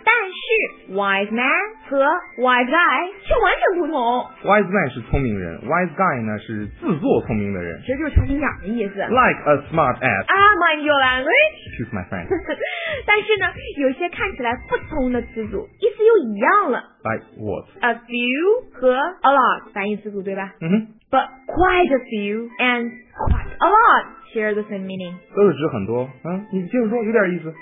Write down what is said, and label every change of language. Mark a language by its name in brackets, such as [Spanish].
[Chinese] 但是 wise man 和 wise guy 却完全不同。 Wise man 是聪明人 ，wise guy 呢是自作聪明的人。其实就是穷心眼的意思。 [English] Like a smart ass. Ah, mind your language. Excuse my friend. [Chinese] 但是呢，有些看起来不同的词组，意思又一样了。 [English] Like what? [Chinese] A few 和 a lot 反义词组，对吧？嗯哼。 [English] But quite a few and quite a lot share the same meaning. [Chinese] 都是指很多，嗯，你接着说，有点意思。